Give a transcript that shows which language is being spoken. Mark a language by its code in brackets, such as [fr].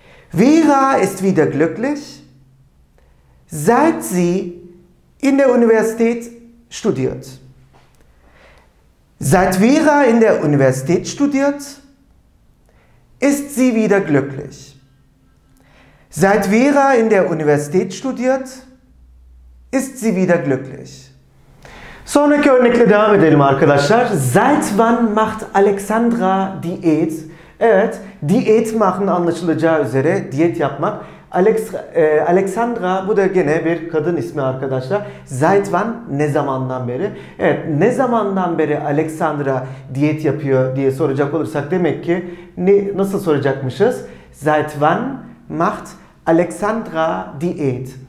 [de] Vera ist wieder glücklich, seit sie in der Universität studiert. Seit Vera in der Universität studiert, ist sie wieder glücklich. Seit Vera in der Universität studiert, ist sie wieder glücklich. [tr] Sonraki örnekle devam edelim arkadaşlar. [de] Seit wann macht Alexandra Diät? [tr] Evet, [de] diät machen [tr] anlaşılacağı üzere diyet yapmak. Alexandra, bu da gene bir kadın ismi arkadaşlar. [de] Seit wann, [tr] ne zamandan beri? Evet, ne zamandan beri Alexandra diyet yapıyor diye soracak olursak demek ki nasıl soracakmışız? [de] Seit wann macht Alexandra Diät?